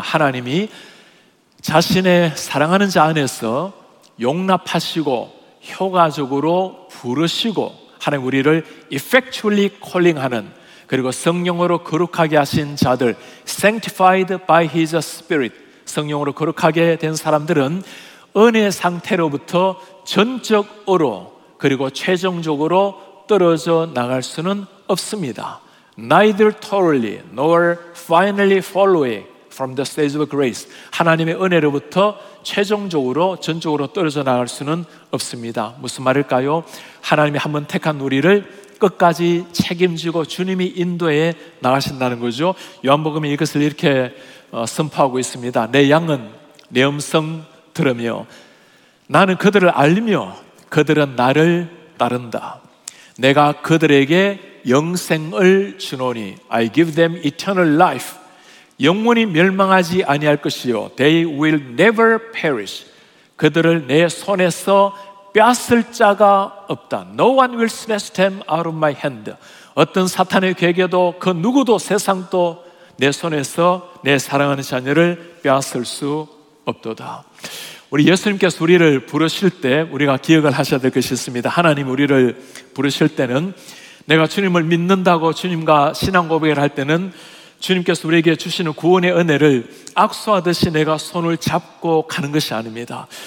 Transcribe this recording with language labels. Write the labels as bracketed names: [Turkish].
[Korean] 하나님이 자신의 사랑하는 자 안에서 용납하시고 효과적으로 부르시고 하나님 우리를 effectually calling하는, 그리고 성령으로 거룩하게 하신 자들, [English] sanctified by his spirit, [Korean] 성령으로 거룩하게 된 사람들은 은혜 상태로부터 전적으로 그리고 최종적으로 떨어져 나갈 수는 없습니다. [English] Neither totally nor finally following from the stage of grace. [Korean] 하나님의 은혜로부터 최종적으로 전적으로 떨어져 나갈 수는 없습니다. 무슨 말일까요? 하나님이 한번 택한 우리를 끝까지 책임지고 주님이 인도해 나가신다는 거죠. 요한복음이 이것을 이렇게 선포하고 있습니다. 내 양은 내 음성 들으며 나는 그들을 알리며 그들은 나를 따른다. 내가 그들에게 영생을 주노니 [English] I give them eternal life. [Korean] 영원히 멸망하지 아니할 것이요 [English] They will never perish. [Korean] 그들을 내 손에서 뺏을 자가 없다. [English] No one will snatch them out of my hand. [Korean] 어떤 사탄의 계계도 그 누구도 세상도 내 손에서 내 사랑하는 자녀를 뺏을 수 없도다. 우리 예수님께서 우리를 부르실 때 우리가 기억을 하셔야 될 것이 있습니다. 하나님 우리를 부르실 때는 내가 주님을 믿는다고 주님과 신앙 고백을 할 때는 주님께서 우리에게 주시는 구원의 은혜를 악수하듯이 내가 손을 잡고 가는 것이 아닙니다.